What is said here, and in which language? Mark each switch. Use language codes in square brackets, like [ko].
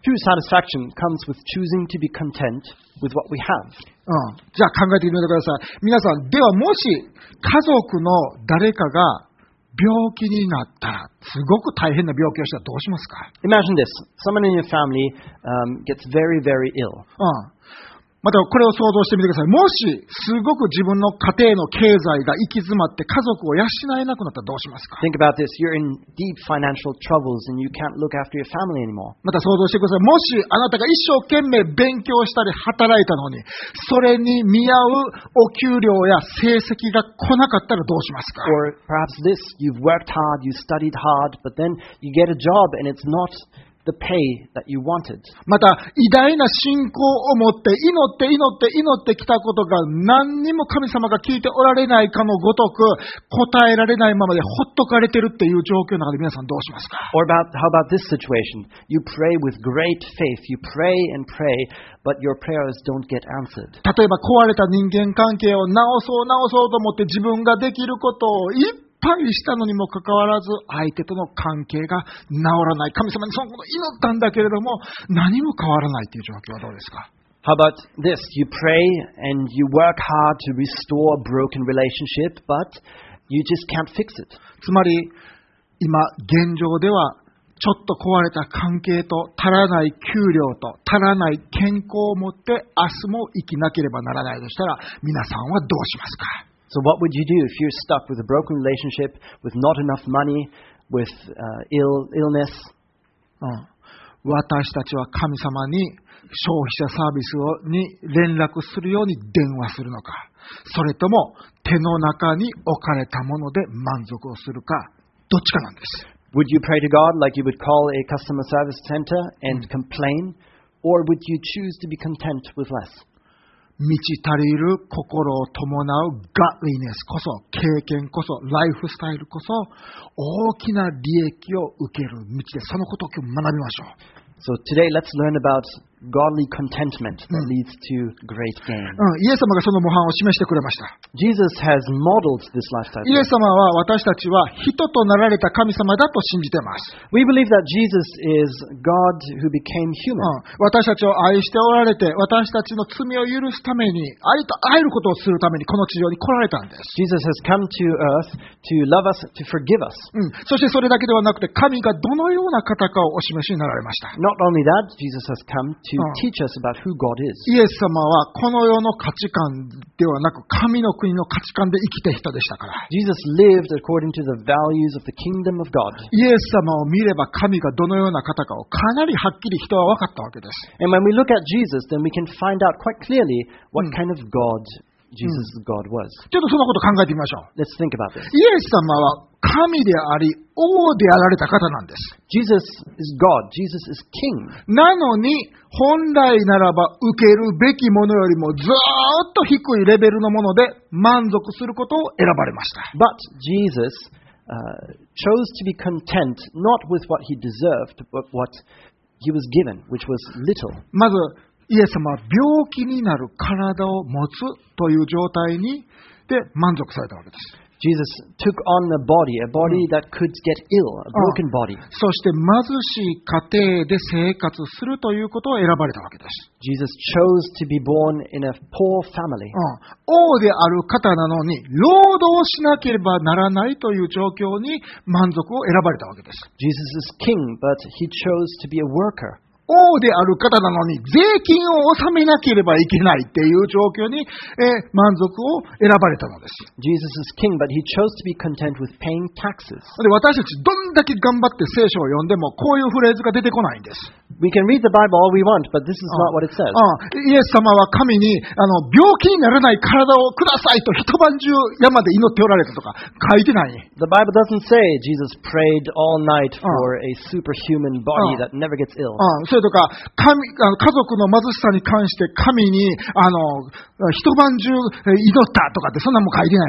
[en] True satisfaction comes with choosing to be content with what we have. [ja] じゃあ考えてみてください。皆さん、ではもし家族の誰かが病気になったら、すごく大変な病気をしたらどうしますか？ [en] Imagine this. Someone in your family, gets very, very ill. [ja] またこれを想像してみてください。もし、すごく自分の家庭の経済が行き詰まって家族を養えなくなったらどうしますか？ [en] Think about this. You're in deep financial troubles and you can't look after your family anymore. [ja] また想像してください。もし、あなたが一生懸命勉強したり働いたのに、それに見合うお給料や成績が来なかったらどうしますか？ [en] Or perhaps this. You've worked hard, you studied hard, but then you get a job and it's not... The pay that you wanted. [ja] また偉大な信仰を持って祈って祈って祈ってきたことが何にも神様が聞いておられないかのごとく答えられないままでほっとかれてるっていう状況の中で皆さんどうしますか？ [en] Or about, how about this situation? You pray with great faith. You pray and pray, but your prayers don't get answered. [ja] 例えば壊れた人間関係を直そう直そうと思って自分ができることをいっぱいパリしたのにもかかわらず相手との関係が治らない。神様にそのこと祈ったんだけれども何も変わらないという状況はどうですか？ [en] How about this? You pray and you work hard to restore a broken relationship, but you just can't fix it. [ja] つまり今現状ではちょっと壊れた関係と足らない給料と足らない健康を持って明日も生きなければならないとしたら皆さんはどうしますか？ [en] So what would you do if you're stuck with a broken relationship, with not enough money, with illness? [ja] 私たちは神様に消費者サービスに連絡するように電話するのか、それとも手の中に置かれたもので満足をするか、どっちかなんです。 [en] Would you pray to God like you would call a customer service center and complain, or would you choose to be content with less? [ja] 満ち足りる心を伴う godliness こそ、経験こそ、ライフスタイルこそ、大きな利益を受ける道で、そのことを今日学びましょう。 [en] So today let's learn about godly contentment that leads to great gain. [ja] イエス様がその模範を示してくれました。 [en] Jesus has modeled this lifestyle. [ja] イエス様は私たちは人となられた神様だと信じています。 [en] We believe that Jesus is God who became human. [ja] 私たちを愛しておられて、私たちの罪を許すために、ありとあらゆることをするためにこの地上に来られたんです。 [en] Jesus has come to earth to love us, to forgive us. [ja] そしてそれだけではなくて、神がどのような方かをお示しになられました。 [en] Not only that, Jesus has come to teach us about who God is. [ja] イエス様はこの世の価値観ではなく神の国の価値観で生きていた人でしたから。 [en] Jesus lived according to the values of the kingdom of God. [ja] イエス様を見れば神がどのような方かをかなりはっきり人は分かったわけです。 [en] And when we look at Jesus, then we can find out quite clearly what kind of God Jesus God was. [ja] ちょっとそのこと考えてみましょう。 [en] Let's think about this. [ja] イエス様は神であり王であられた方なんです。 [en] Jesus is God. Jesus is King. [ja] なのに本来ならば受けるべきものよりもずっと低いレベルのもので満足することを選ばれました。 [en] But Jesus, chose to be content not with what he deserved, but what he was given, which was little. [ja] まずイエス様は病気になる体を持つという状態にで満足されたわけです。 [en] Jesus took on a body, a body that could get ill, a broken body. [ja] そして貧しい家庭で生活するということを選ばれたわけです。 [en] Jesus chose to be born in a poor family. [ja] 王である方なのに労働しなければならないという状況に満足を選ばれたわけです。 [en] Jesus is king, but he chose to be a worker. [ja] 王である方なのに税金を納めなければいけないっていう状況に満足を選ばれたのです。 [en] Jesus is king, but he chose to be content with paying taxes. [ja] で、私たちどんだけ頑張って聖書を読んでもこういうフレーズが出てこないんです。 [en] We can read the Bible all we want, but this is not what it says. [ja] イエス様は神に病気にならない体をくださいと一晩中山で祈っておられたとか書いてない。 [en] The Bible doesn't say Jesus prayed all night for a superhuman body that never gets ill. [ja] それとか神家族の貧しさに関して神に一晩中祈ったとかってそんなも書いてない。